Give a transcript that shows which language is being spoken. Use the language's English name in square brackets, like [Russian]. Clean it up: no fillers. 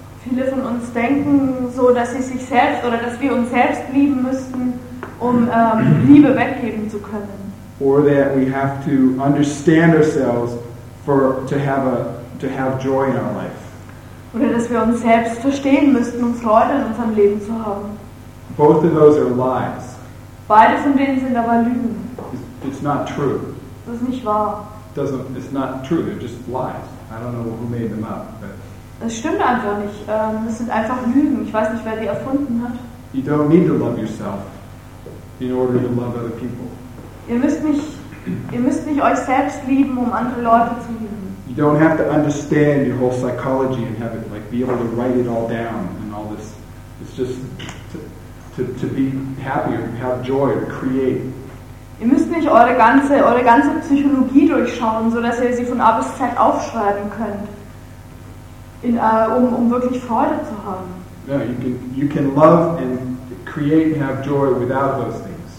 [German] Viele von uns denken so, dass sie sich selbst oder dass wir uns selbst lieben müssten, um Liebe weggeben zu können. [English] Or that we have to understand ourselves for to have a to have joy in our life. [German] Oder dass wir uns selbst verstehen müssten, um Freude in unserem Leben zu haben. [English] Both of those are lies. [German] Beide von denen sind aber Lügen. [English] It's not true. [German] Das ist nicht wahr. [English] It's not true. They're just lies. I don't know who made them up. But [German] das stimmt einfach nicht. Das sind einfach Lügen. Ich weiß nicht, wer die erfunden hat. [English] You don't need to love yourself in order to love other people. [German] Ihr müsst nicht euch selbst lieben, um andere Leute zu lieben. [English] You don't have to understand your whole psychology and have it like be able to write it all down and all this. It's just to be happier, have joy, to create. [German] Ihr müsst nicht eure ganze Psychologie durchschauen, so dass ihr sie von A bis Z aufschreiben könnt, um wirklich Freude zu haben. [English] No, you can love and create and have joy without those things.